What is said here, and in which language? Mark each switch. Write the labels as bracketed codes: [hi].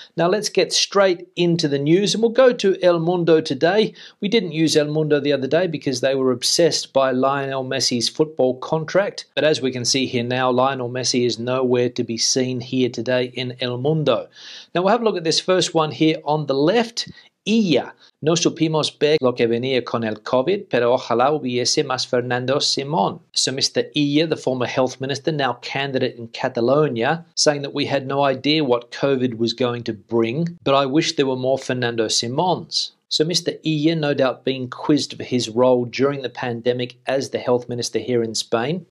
[en] Now let's get straight into the news, and we'll go to El Mundo today. We didn't use El Mundo the other day because they were obsessed by Lionel Messi's football contract. But as we can see here now, Lionel Messi is nowhere to be seen here today in El Mundo. Now we'll have a look at this first one here on the left. Illa. [es] No supimos ver lo que venía con el COVID, pero ojalá hubiese más Fernando Simón. [en] So Mr. Illa, the former health minister, now candidate in Catalonia, saying that we had no idea what COVID was going to bring, but I wish there were more Fernando Simons. So Mr. Illa, no doubt being quizzed for his role during the pandemic as the health minister here in Spain.